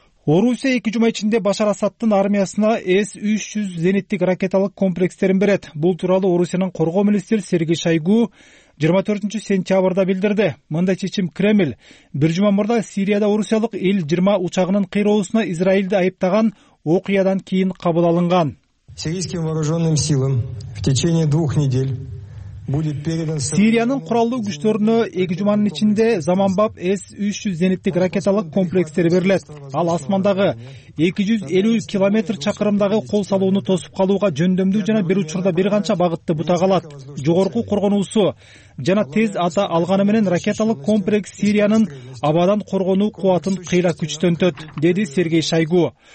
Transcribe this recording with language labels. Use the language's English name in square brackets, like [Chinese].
[Kyrgyz] Орусия 2 жума ичинде Башар Асадтын армиясына S-300 зениттик ракеталык комплекстерин берет. Бул тууралуу Орусиянын коргоо министри Сергей Шойгу 24 сентябрда билдирди. Мындай чечим Кремль бир жума мурда Сирияда орусиялык Ил-20 учагынын кыйроосуна Израилди айыптаган окуядан кийин кабыл алынган. [Russian] Сирийским вооруженным силам в течение 2 недель [Kyrgyz] Сириянын куралдуу күчтөрүнө 2 жуманын ичинде заманбап S-300 зениттик ракеталык комплекстери берилет. Ал асмандагы 250 километр чакырымдагы кол салууну тосуп калууга жөндөмдүү жана бир учурда бир канча багытты бута калат. Жогорку коргонуусу жана тез ата алганы менен ракеталык комплекс Сириянын абадан коргонуу кубатын кыйла күчтөнтөт, деди Сергей Шойгу.